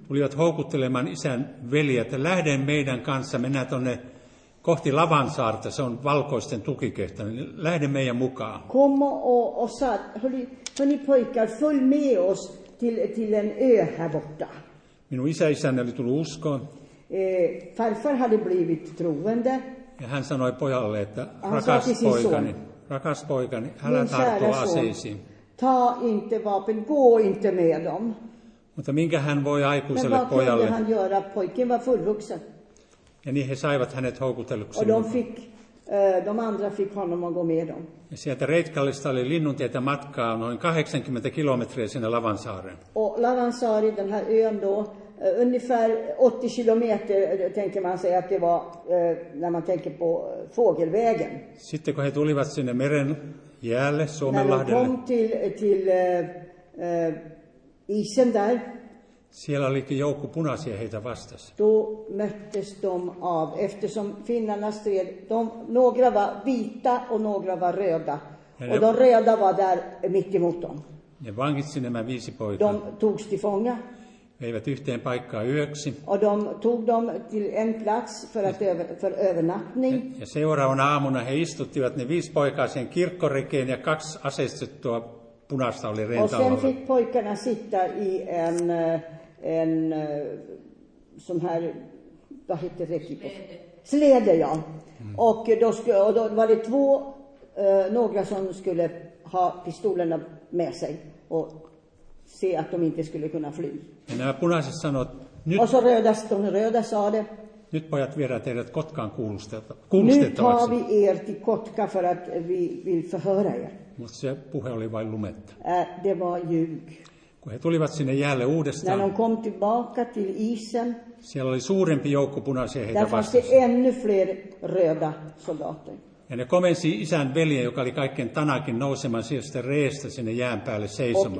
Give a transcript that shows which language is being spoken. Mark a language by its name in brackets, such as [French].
[Finnish] Tulivat houkuttelemaan isän veljet. Lähden meidän kanssa, mennään tuonne kohti Lavansaarta. Se on valkoisten tukikehtä. Lähden meidän mukaan. [Swedish] Kom och sa, hörni pojkar, följ med oss till en ö här borta. [Finnish] Minun isäni oli tullut uskoon. [Swedish] Farfar hade blivit troende. [Finnish] Ja hän sanoi pojalle, että rakas poikani. Rakas poikani, älä tarttu aseisiin. [Swedish] Ta inte vapen, gå inte med dem. [Finnish] Mutta minkä hän voi aikuiselle pojalle? [Swedish] Men vad kunde han göra? Pojken var fullvuxen. [Finnish] Ja niin he saivat hänet houkutelluksi. [Swedish] Och de andra fick honom att gå med dem. [Finnish] Ja sieltä Reitkallista oli linnuntietä matkaa noin 80 kilometriä sinne Lavansaaren. [Swedish] Och Lavansaari, den här ön då, ungefär 80 kilometer tänker man säga att det var när man tänker på fågelvägen. [Finnish] Sitten kun he tulivat sinne meren jäälle Suomenlahdelle. [Swedish] När de kom till isen där. [Finnish] Siellä olikin joukko punaisia heitä vastas. [Swedish] Då möttes de av, eftersom finnarna stred, några var vita och några var röda. Och de röda var där mitt emot dem. [Finnish] Ne vangitsi nämä 5 poikaa. [Swedish] De togs till fånga. [Finnish] Veivät yhteen paikkaan yöksi. [Swedish] Och de tog dem till en plats för övernattning. [Finnish] Ja seuraavana aamuna he istuttivat ne 5 poikaa sen kirkkorekeen ja 2 aseistettua punaista oli rentaalla. [Swedish] Och sen fick pojkarna sitta i en sån här, vad heter reki på? Slede, ja. Och då var det 2, några som skulle ha pistolerna med sig och se att de inte skulle kunna fly. [Finnish] Ja nämä punaiset sanoivat, nyt... [Swedish] Och så röda, sa det. [Finnish] Nyt pojat viedään teidät Kotkaan kuulustettavaksi. [Swedish] Nyt tar vi er till Kotka för att vi vill förhöra er. [Finnish] Mutta se puhe oli vain lumetta. [Swedish] Det var ljug. [Finnish] Kun he tulivat sinne jäälle uudestaan. [Swedish] När de kom tillbaka till isen. [Finnish] Siellä oli suurempi joukko punaisia heitä vastassa. [Swedish] Där fanns det ännu fler röda soldater. [Finnish] Ja ne komensi isän veljen, joka oli kaikkein tanakin nousemaan sieltä reestä sinne jään päälle seisomaan.